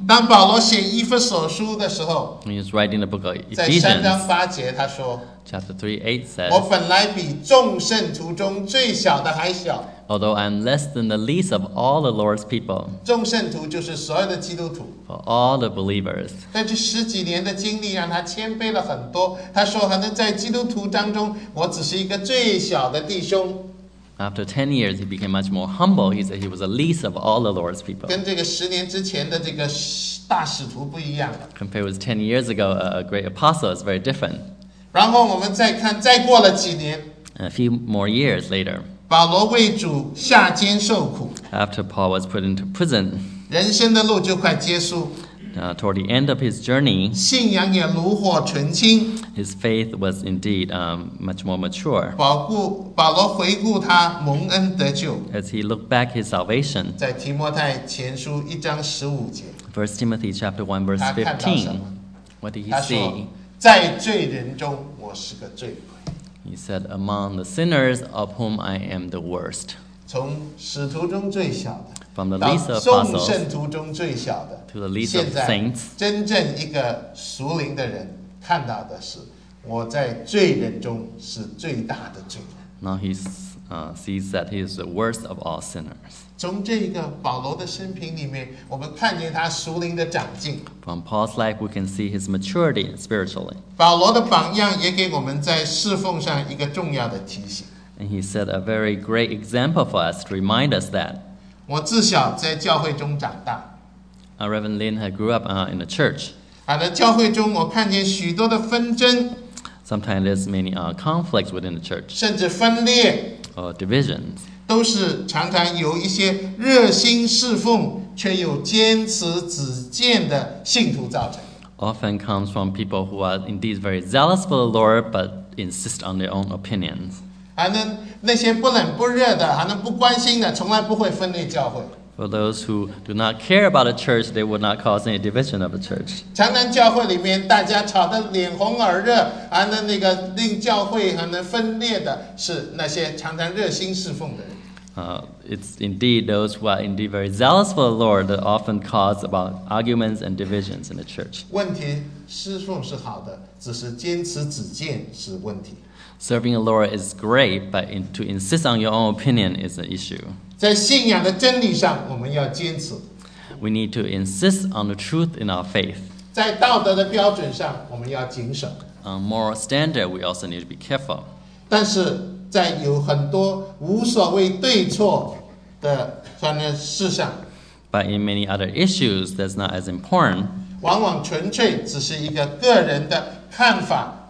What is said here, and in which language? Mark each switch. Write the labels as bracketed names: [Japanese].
[Chinese] 当保罗写以弗所书的时候 [English] He was writing the book of Ephesians [Chinese] 在三章八节他说 [English] Chapter 3:8 says [Chinese] 我本来比众圣徒中最小的还小 [English] Although I'm less than the least of all the Lord's people [Chinese] 众圣徒就是所有的基督徒 [English] For all the believers [Chinese] 但这十几年的经历让他谦卑了很多他说可能在基督徒当中我只是一个最小的弟兄 [English] After 10 years he became much more humble He said he was the least of all the Lord's people [Chinese] 跟这个十年之前的这个大使徒不一样 [English] Compared with 10 years ago a great apostle is very different [Chinese] 然后我们再看再过了几年 [English] A few more years later [Chinese] 保罗为主下监受苦 [English] After Paul was put into prison [Chinese] 人生的路就快结束 [English] Toward the end of his journey, [Chinese] 信仰也炉火纯青, [English] his faith was indeed much more mature. [Chinese] 保罗回顾他蒙恩得救, [English] as he looked back his salvation, [Chinese] 在提摩太前书一章十五节, [English] 1 Timothy chapter 1 verse 15, what did he see? [Chinese] 在罪人中我是个罪魁。 [English] He said, among the sinners of whom I am the worst. [Chinese] 从使徒中最小的。 [English] From the least of apostles to the least of saints, [Chinese] 真正一个属灵的人看到的是我在罪人中是最大的罪人。 [English] Now he sees that he is the worst of all sinners. [Chinese] 从这个保罗的生平里面，我们看见他属灵的长进。 [English] From Paul's life, we can see his maturity spiritually. [Chinese] 保罗的榜样也给我们在侍奉上一个重要的提醒。 [English] And he set a very great example for us to remind us that. [Chinese] 我自小在教会中长大。 [English] Reverend Lin had grew up in the church. [Chinese] 在教会中我看见许多的纷争。 [English] Sometimes there's many conflicts within the church. [Chinese] 甚至分裂。 [English] Or divisions. [Chinese] 都是常常有一些热心侍奉却又坚持己见的信徒造成。 [English] Often comes from people who are indeed very zealous for the Lord but insist on their own opinions. [Chinese] 那些不冷不热的，还能不关心的，从来不会分裂教会。 [English] For those who do not care about the church, they would not cause any division of the church. [Chinese] 常常教会里面大家吵得脸红耳热，还能那个令教会还能分裂的，是那些常常热心侍奉的人。 [English] It's indeed those who are indeed very zealous for the Lord that often cause about arguments and divisions in the church. [Chinese] 问题，侍奉是好的，只是坚持己见是问题。 [English] Serving the Lord is great, but to insist on your own opinion is an issue. [Chinese] 在信仰的真理上，我们要坚持。 [English] We need to insist on the truth in our faith. [Chinese] 在道德的标准上，我们要谨守。 [English] On moral standard, we also need to be careful. [Chinese] 但是在有很多无所谓对错的事上 [English] ，But in many other issues, that's not as important. [Chinese] 往往纯粹只是一个个人的看法。